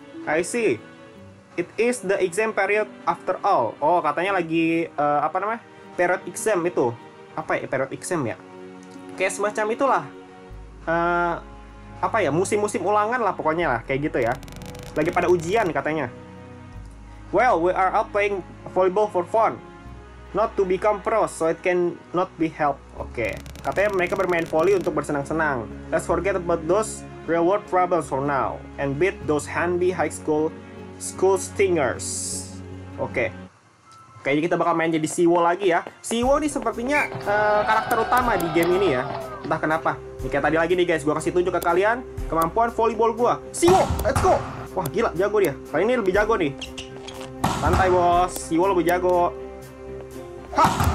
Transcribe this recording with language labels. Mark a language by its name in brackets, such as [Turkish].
[English] I see. It is the exam period after all. [Indonesian] Oh, katanya lagi apa namanya? Period exam itu. Apa ya period exam ya? Kayak semacam itulah. Apa ya? Musim-musim ulangan lah pokoknya lah, kayak gitu ya. Lagi pada ujian katanya. [English] Well, we are out playing volleyball for fun, not to become pros, so it can not be helped. Oke. Okay. [Indonesian] Katanya mereka bermain volley untuk bersenang-senang. [English] Let's forget about those real world problems for now and beat those handy high school stingers. [Indonesian] Oke. Okay. Kayaknya kita bakal main jadi Siwo lagi ya. Siwo ini sepertinya karakter utama di game ini ya. Entah kenapa. Nih kayak tadi lagi nih guys, gua kasih tunjuk ke kalian kemampuan volleyball gua. Siwo, [English] let's go. [Indonesian] Wah, gila jago dia. Kali ini lebih jago nih. Santai bos, Siwo lebih jago. Ha!